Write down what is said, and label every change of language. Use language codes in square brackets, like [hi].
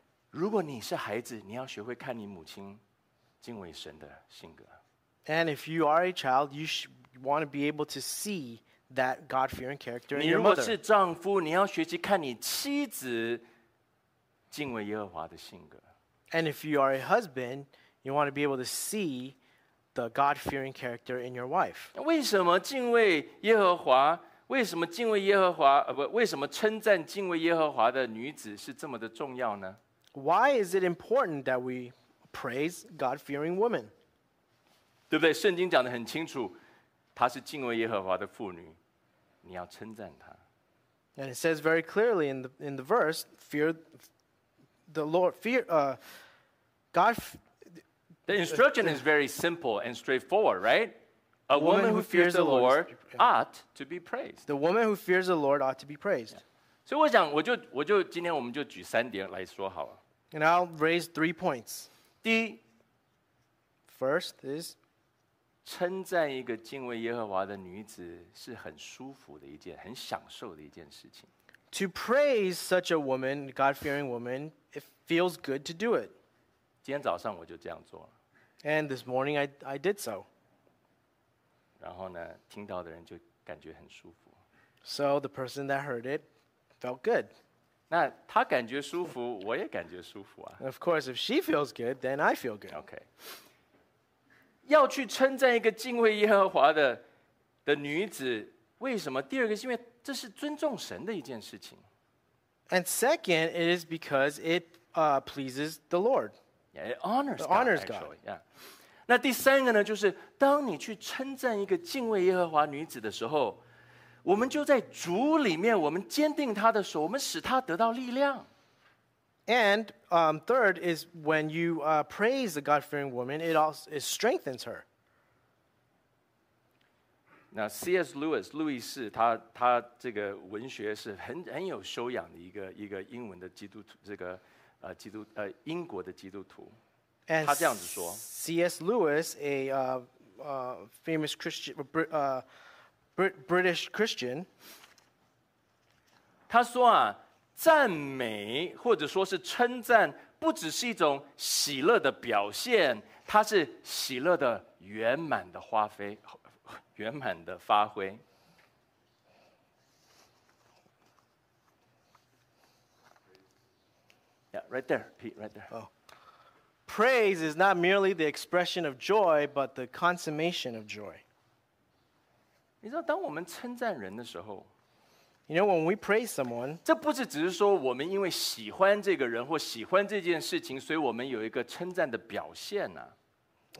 [zh] 如果你是孩子，你要学会看你母亲敬畏神的性格。 [en] And if you are a child, you should want to be able to see that God-fearing character in your [zh] mother. 你如果是丈夫，你要学习看你妻子敬畏耶和华的性格。 [en] And if you are a husband, you want to be able to see the God-fearing character in your wife. [zh] 为什么敬畏耶和华？为什么敬畏耶和华？不，为什么称赞敬畏耶和华的女子是这么的重要呢？ [en] Why is it important that we praise God-fearing women? [zh] 对不对？圣经讲得很清楚，她是敬畏耶和华的妇女，你要称赞她。 [en] And it says very clearly in the verse, fear the Lord, fear God. The instruction is very simple and straightforward, right? A woman who fears the Lord ought to be praised. The woman who fears the Lord ought to be praised. [zh] 所以我想，我就今天我们就举三点来说好了。 [en] And I'll raise three points. [zh] 第一 [en] ，first is [zh] 称赞一个敬畏耶和华的女子是很舒服的一件、很享受的一件事情。 [en] To praise such a woman, God-fearing woman, it feels good to do it. [zh] 今天早上我就这样做了。 [en] And this morning I did so. [zh] 然后呢，听到的人就感觉很舒服。 [en] So the person that heard it felt good. [zh] 那他感觉舒服，我也感觉舒服啊。 [en] Of course, if she feels good, then I feel good. Okay. [zh] 要去称赞一个敬畏耶和华的女子，为什么？第二个是因为这是尊重神的一件事情。 [en] And second, it is because it pleases the Lord. Yeah, it honors God. Yeah. [zh] 那第三个呢，就是当你去称赞一个敬畏耶和华女子的时候，我们就在主里面，我们坚定她的手，我们使她得到力量。 [en] And third is when you praise the God-fearing woman, it strengthens her. Now C.S. [zh] Lewis, 路易斯，他这个文学是很有修养的一个英文的基督徒，这个英国的基督徒。 [en] And [zh] 他这样子说 [en] ，C.S. Lewis, a famous Christian, British Christian, [zh] 他说啊，赞美或者说是称赞，不只是一种喜乐的表现，它是喜乐的圆满的发挥，圆满的发挥。 [en] Yeah, right there, Pete, right there. Oh. Praise is not merely the expression of joy, but the consummation of joy. [zh] 你知道，当我们称赞人的时候 [en] ，You know, when we praise someone, [zh] 这不是只是说我们因为喜欢这个人或喜欢这件事情，所以我们有一个称赞的表现呢、啊、